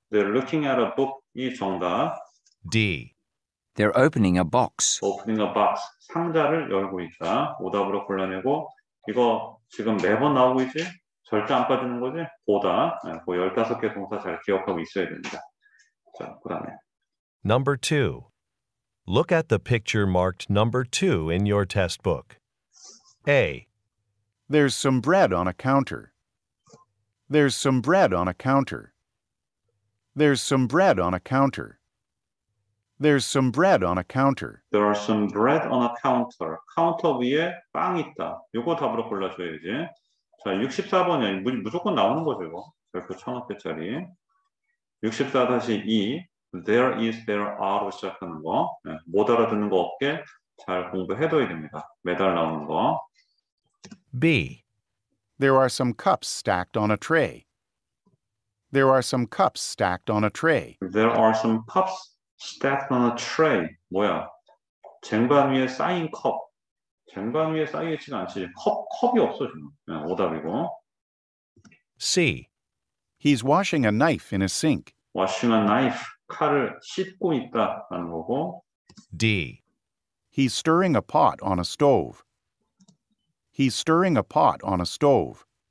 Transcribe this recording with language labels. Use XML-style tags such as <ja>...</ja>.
<en>They're looking at a book.</en> <ko>이 정답.</ko> <en>D. They're opening a box. Opening a box.</en> <ko>상자를 열고 있다. 오답으로 골라내고. 이거 지금 매번 나오고 있지? 절대 안 빠지는 거지? 보다. 네, 그 15개 동사 잘 기억하고 있어야 됩니다. 자, 그 다음에.</ko> <en>2. Look at the picture marked 2 in your test book. A. There's some bread on a counter. There's some bread on a counter. There's some bread on a counter. There's some bread on a counter. There are some bread on a counter. Counter</en> <ko>위에 빵 있다. 이거 답으로 골라줘야지. 자, 64번이야. 무조건 나오는 거죠, 이거. 별표 1000억대짜리. 64-2.</ko> <en>There is, there are</en> <ko>로 시작하는 거. 네, 못 알아듣는 거 없게 잘 공부해둬야 됩니다. 매달 나오는 거.</ko> <en>B. There are some cups stacked on a tray. There are some cups stacked on a tray. There are some cups stacked on a tray.</en> <ko>뭐야? 쟁반 위에 쌓인 컵. 쟁반 위에 쌓여있지는 않지. 컵이 없어 지금. 네, 오답이고.</ko> <en>C. He's washing a knife in a sink. Washing a knife.</en> <ko>칼을 씻고 있다라는 거고.</ko> <en>D. He's stirring a pot on a stove. He's stirring a pot on a stove.</en>